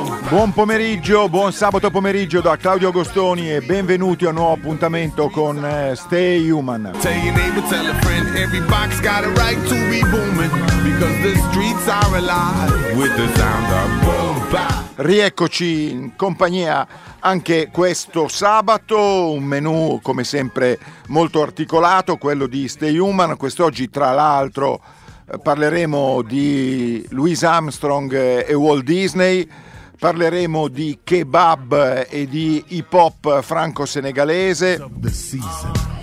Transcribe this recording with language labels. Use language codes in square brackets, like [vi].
[it] Buon pomeriggio, buon sabato pomeriggio da Claudio Agostoni e benvenuti a un nuovo appuntamento con Stay Human. [en] Tell your neighbor, tell a friend, every box got a right to be booming, because the streets are alive with the sound of boom bap. [it] Rieccoci in compagnia anche questo sabato, un menù come sempre molto articolato, quello di Stay Human. Quest'oggi tra l'altro parleremo di Louis Armstrong e Walt Disney. Parleremo di kebab e di hip hop franco-senegalese.